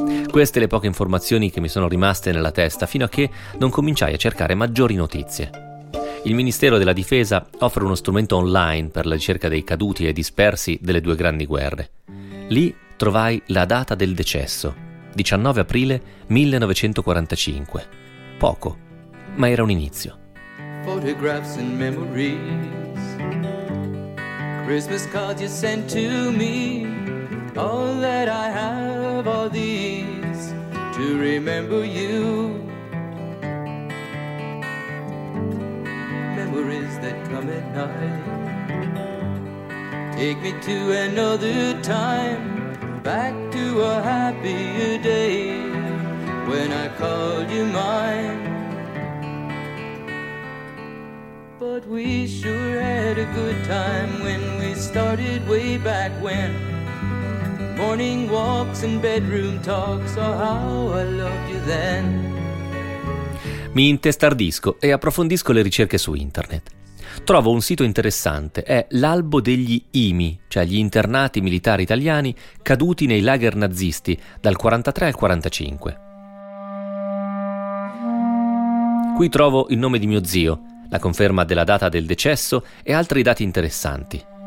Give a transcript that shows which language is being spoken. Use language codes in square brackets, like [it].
[it] Queste le poche informazioni che mi sono rimaste nella testa fino a che non cominciai a cercare maggiori notizie. Il Ministero della Difesa offre uno strumento online per la ricerca dei caduti e dispersi delle due grandi guerre. Lì trovai la data del decesso, 19 aprile 1945. Poco, ma era un inizio. [en] Photographs and memories, Christmas cards you sent to me, all that I have are these to remember you. Memories that come at night, take me to another time, back to a happier day when I called you mine. But we sure had a good time when we started way back when. Morning walks and bedroom talks are how I loved you then. [it] Mi intestardisco e approfondisco le ricerche su internet. Trovo un sito interessante, è l'albo degli IMI, cioè gli internati militari italiani caduti nei lager nazisti dal 43 al 45. Qui trovo il nome di mio zio, la conferma della data del decesso e altri dati interessanti.